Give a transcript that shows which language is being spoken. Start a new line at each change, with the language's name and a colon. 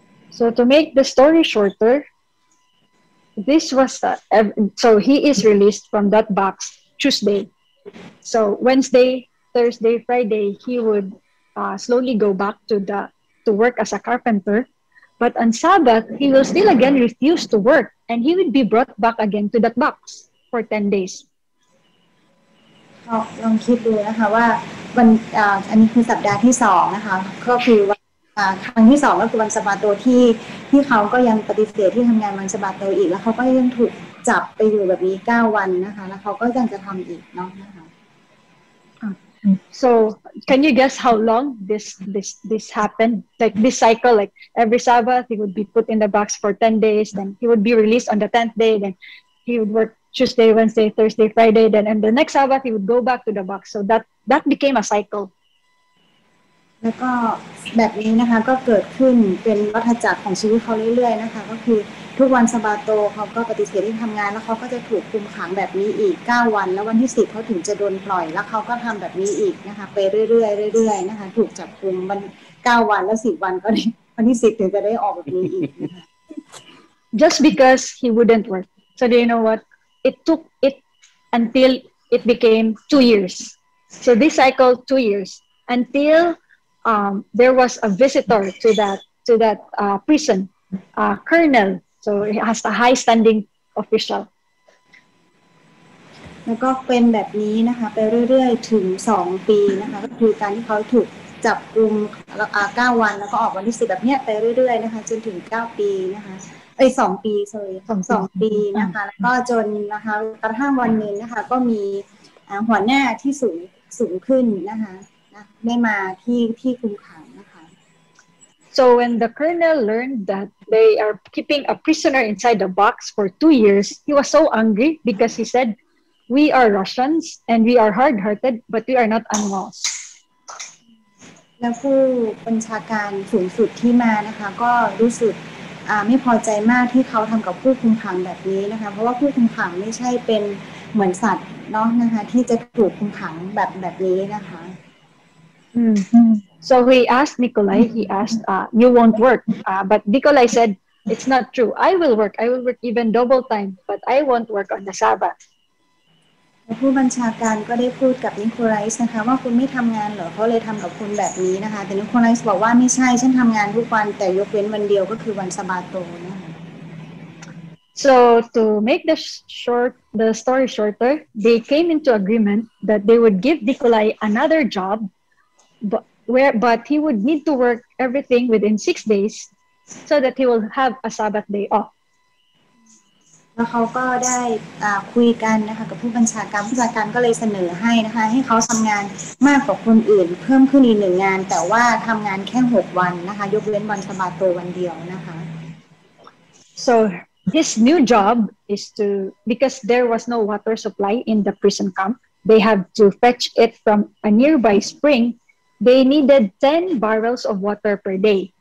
English: So to make the story shorter, this was so he is released from that box Tuesday. So Wednesday, Thursday, Friday, he would. Slowly go back to work as a carpenter, but on Sabbath he will still again refuse to work, and he would be brought back again to that box for 10 days.
Thai: ลองคิดดูนะคะว่าวันอันนี้คือสัปดาห์ที่สองนะคะก็คือวันครั้งที่สองก็คือวันสบาโตที่เขาก็ยังปฏิเสธที่ทำงานวันสบาโตอีกแล้วเขาก็ยังถูกจับไปอยู่แบบนี้9วันนะคะแล้วเขาก็ยังจะทำอีกเนาะ
English: So, can you guess how long this happened? Like this cycle, like every Sabbath, he would be put in the box for 10 days, then he would be released on the 10th day, then he would work Tuesday, Wednesday, Thursday, Friday, then and the next Sabbath, he would go back to the box. So that became a cycle. And so, like this, it happened. It became a cycle of his life. So, every Sabbath, he would refuse to work, and then he would be put in the box for 9 days. And on the 10th day, he would be released, and then he would do this again, slowly, and then he would be put in the box for 9 days, and then on the 10th day, he would be released again. Just because he wouldn't work. So do you know what? It took it until it became 2 years. So this cycle, 2 years, until... there was a visitor to that prison, colonel. So he has a high standing official.
Thai: แล้วก็เป็นแบบนี้นะคะไปเรื่อยๆถึง2ปีนะคะก็คือการที่เขาถูกจับกุมแล้ว9วันแล้วก็ออกวันที่10แบบเนี้ยไปเรื่อยๆนะคะจนถึง9ปีนะคะเอ้ย2ปี sorry 2ปีนะคะแล้วก็จนนะคะกระทั่งวันนึงนะคะก็มีหัวหน้าที่สูงขึ้นนะคะได้มาที่คุมขังนะคะ
English: So when the colonel learned that they are keeping a prisoner inside the box for 2 years, he was so angry because he said, "We are Russians and we are hard-hearted, but we are not animals."
Thai: และผู้บัญชาการสูงสุดที่มานะคะก็รู้สึกไม่พอใจมากที่เขาทำกับผู้คุมขังแบบนี้นะคะเพราะว่าผู้คุมขังไม่ใช่เป็นเหมือนสัตว์เนาะนะคะที่จะถูกคุมขังแบบนี้นะคะ
English: So he asked Nikolai, he asked, you won't work. But Nikolai said, it's not true. I will work even double time, but I won't work on the Sabbath.
Thai: ผู้บัญชาการก็ได้พูดกับนิโคไลส์นะคะว่าคุณไม่ทำงานเหรอเขาเลยทำกับคุณแบบนี้นะคะแต่นิโคไลส์บอกว่าไม่ใช่ฉันทำงานทุกวันแต่ยกเว้นวันเดียวก็คือวันสะบาโตนะ
English: So to make the story shorter, they came into agreement that they would give Nikolai another job. But he would need to work everything within 6 days, so that he will have a Sabbath day off.
Thai: แล้วเขาก็ได้คุยกันนะคะกับผู้บัญชาการผู้บัญชาการก็เลยเสนอให้นะคะให้เขาทำงานมากกว่าคนอื่นเพิ่มขึ้นอีกหนึ่งงานแต่ว่าทำงานแค่6วันนะคะยกเว้นวันสะบาโตวันเดียวนะคะ
English: so his new job is to because there was no water supply in the prison camp they have to fetch it from a nearby spring they needed 10 barrels of water per day